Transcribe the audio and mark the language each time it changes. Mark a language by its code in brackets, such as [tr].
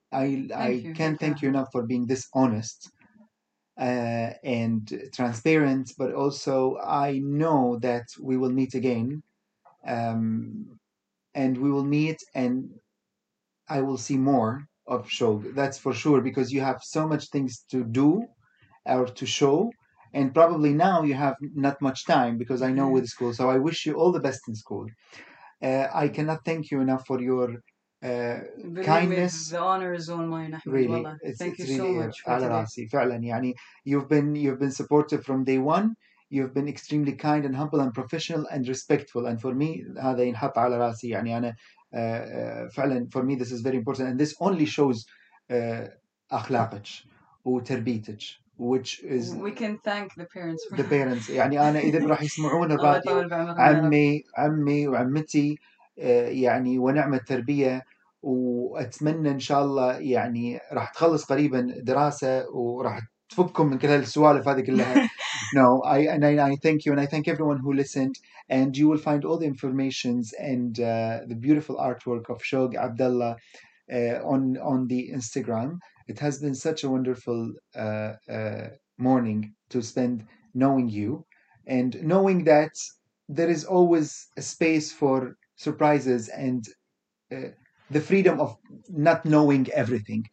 [en] I can't thank you enough for being this honest and transparent, but also I know that we will meet again, and we will meet and I will see more of show, that's for sure, because you have so much things to do or to show, and probably now you have not much time because I know with school, so I wish you all the best in school. I cannot thank you enough for your Believe kindness. The honor is all mine. Really, thank you so much. You've been supportive from day one. You've been extremely kind and humble and professional and respectful. And for me, [ar] هذا ينحط على راسي. يعني أنا فعلا [en] for me this is very important. And this only shows [ar] أخلاقك وتربيتك, [en] which is we can thank the parents. The parents. [ar] يعني أنا إذا راح يسمعون الراديو عمي وعمتي يعني ونعمة تربية. وأتمنى إن شاء الله يعني راح تخلص قريبا دراسة وراح تفككم من كل هالسوالف هذه كلها. [en] No, I thank you and I thank everyone who listened, and you will find all the informations and the beautiful artwork of Shoghi Abdallah on the Instagram. It has been such a wonderful morning to spend knowing you and knowing that there is always a space for surprises and the freedom of not knowing everything.